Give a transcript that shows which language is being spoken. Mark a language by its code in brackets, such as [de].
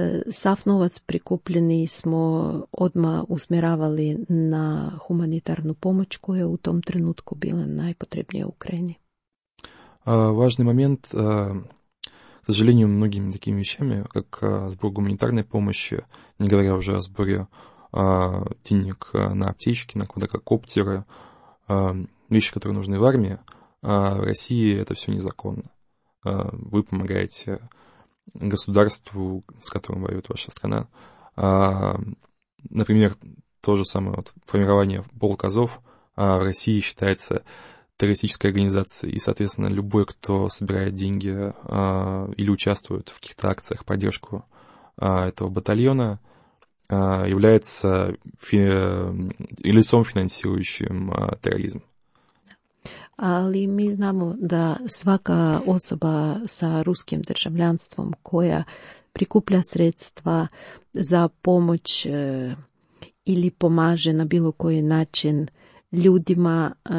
[sr] Сав новац прикуплени смо одма усмеравали на хуманитарну помощ, која у том тренутку била најпотребнија у Украјини. [ru] Важный момент. К сожалению, многими такими вещами, как сбор гуманитарной помощи, не говоря уже о сборе денег на аптечки, на квадрокоптеры, вещи, которые нужны в армии, в России это все незаконно. Вы помогаете государству, с которым воюет ваша страна. Например, то же самое вот, формирование полка ЗОВ в России считается террористической организацией, и, соответственно, любой, кто собирает деньги или участвует в каких-то акциях в поддержку этого батальона, является лицом, финансирующим терроризм. [sr] Али ми знамо да свака особа са руским држављанством која прикупља средства за помоћ или помаже на било који начин људима,